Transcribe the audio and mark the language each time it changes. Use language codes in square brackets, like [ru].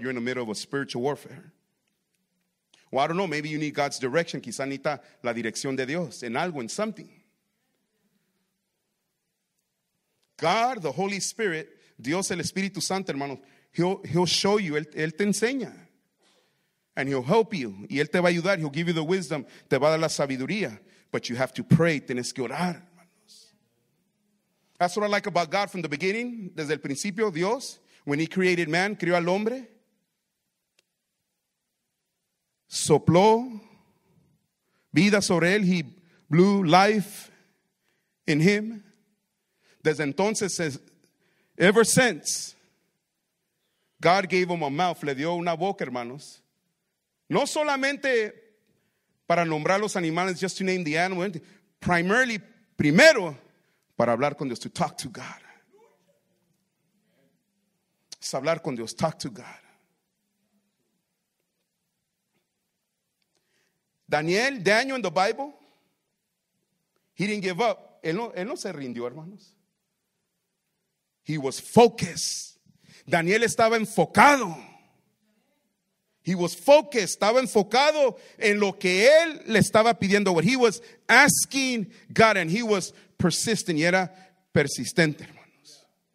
[en] You're in the middle of a spiritual warfare. O I don't know, maybe you need God's direction. [es] Quizás necesita la dirección de Dios en algo, en [en] something. God, the Holy Spirit, [es] Dios, el Espíritu Santo, hermanos, [en] he'll show you, [es] él te enseña. [en] And he'll help you. [es] Y él te va a ayudar. [en] He'll give you the wisdom. [es] Te va a dar la sabiduría. [en] But you have to pray. [es] Tienes que orar, hermanos. [en] That's what I like about God from the beginning. [es] Desde el principio, Dios, [en] when he created man, [es] creó al hombre. Sopló vida sobre él. [en] He blew life in him. [es] Desde entonces, [en] ever since, God gave him a mouth. [es] Le dio una boca, hermanos. No solamente para nombrar los animales, [en] just to name the animal. [es] Primarily, primero, para hablar con Dios, [en] to talk to God. [es] Es hablar con Dios, [en] talk to God. Daniel in the Bible, he didn't give up. [es] Él no se rindió, hermanos. [en] He was focused. [es] Daniel estaba enfocado. [en] He was focused, [es] estaba enfocado en lo que él le estaba pidiendo. [en] What he was asking God, and he was persistent. [es] Y era persistente, hermanos.